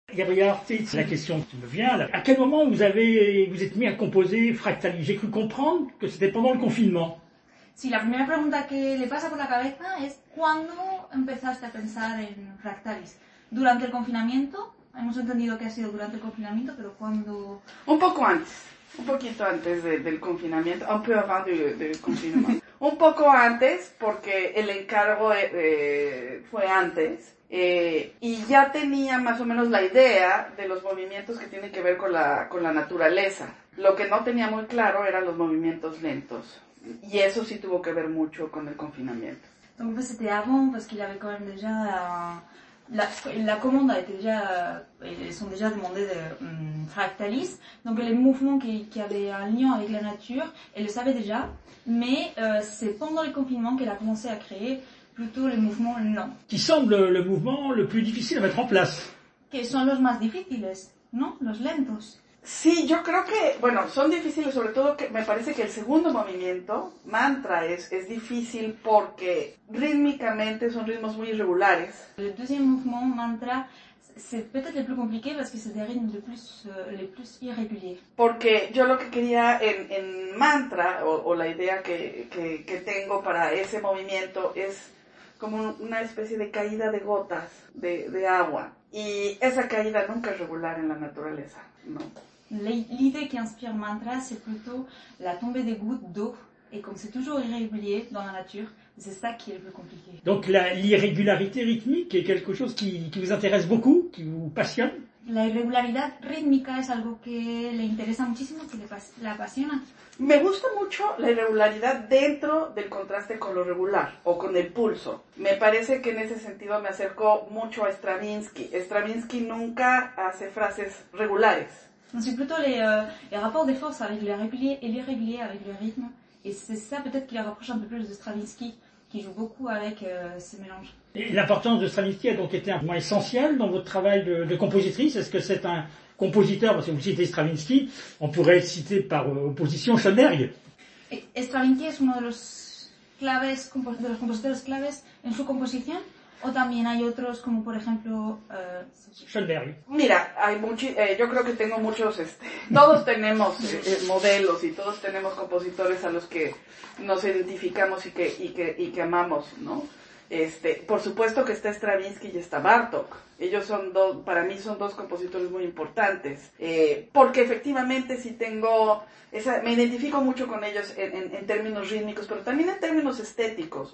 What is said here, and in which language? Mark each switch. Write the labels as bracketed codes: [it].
[fr] Alors, c'est la question qui me vient. Là. À quel moment vous êtes mis à composer Fractali? J'ai cru comprendre que c'était pendant le confinement. [es] Sí, la primera pregunta que le pasa por la cabeza es ¿cuándo empezaste a pensar en Fractalis? ¿Durante el confinamiento? Hemos entendido que ha sido durante el confinamiento, pero ¿cuándo? Un poco antes, un poquito antes del confinamiento, un poco antes del confinamiento. Un poco antes, porque el encargo fue antes, y ya tenía más o menos la idea de los movimientos que tienen que ver con la naturaleza. Lo que no tenía muy claro eran los movimientos lentos. Y eso sí tuvo que ver mucho con el confinamiento. Entonces, pues, [fr] c'était avant, parce qu'il avait quand même déjà la commande a été déjà, ils ont déjà demandé de Fractalis, donc les mouvements qui avaient un lien avec la nature, elle le savait déjà, mais c'est pendant le confinement qu'elle a commencé à créer plutôt les mouvements lents. Qui semble le mouvement le plus difficile à mettre en place. Que sont [es] los más difíciles, ¿no? Los lentos. Sí, yo creo que, bueno, son difíciles, sobre todo que me parece que el segundo movimiento, mantra, es difícil porque rítmicamente son ritmos muy irregulares. El [fr] deuxième mouvement, mantra, c'est peut-être le plus compliqué parce que c'est des rythmes les plus irréguliers. [es] Porque yo lo que quería en mantra, o la idea que tengo para ese movimiento, es como una especie de caída de gotas de agua. Y esa caída nunca es regular en la naturaleza. No. [fr] L'idée qui inspire mantra, c'est plutôt la tombée des gouttes d'eau. Et comme c'est toujours irrégulier dans la nature, c'est ça qui est le plus compliqué. Donc l'irrégularité rythmique est quelque chose qui vous intéresse beaucoup, qui vous passionne? [es] La irregularidad rítmica es algo que le interesa muchísimo, que la apasiona. Me gusta mucho la irregularidad dentro del contraste con lo regular o con el pulso. Me parece que en ese sentido me acerco mucho a Stravinsky. Stravinsky nunca hace frases regulares. Entonces, [fr] es plutôt les rapports de force avec le régulier et l'irrégulier avec le rythme. Et c'est ça peut-être qui le rapproche un peu plus de Stravinsky, qui joue beaucoup avec ces mélanges. Et l'importance de Stravinsky a donc été un point essentiel dans votre travail de compositrice. Est-ce que c'est un compositeur, parce que vous citez Stravinsky, on pourrait citer par opposition Schoenberg. Stravinsky est un des compositeurs claves dans sa composition. [es] O también hay otros como por ejemplo Schoenberg. Mira, hay yo creo que tengo muchos, todos tenemos modelos y todos tenemos compositores a los que nos identificamos y que amamos, ¿no? Por supuesto que está Stravinsky y está Bartók. Ellos son dos, para mí son dos compositores muy importantes, porque efectivamente sí tengo esa, me identifico mucho con ellos en términos rítmicos, pero también en términos estéticos.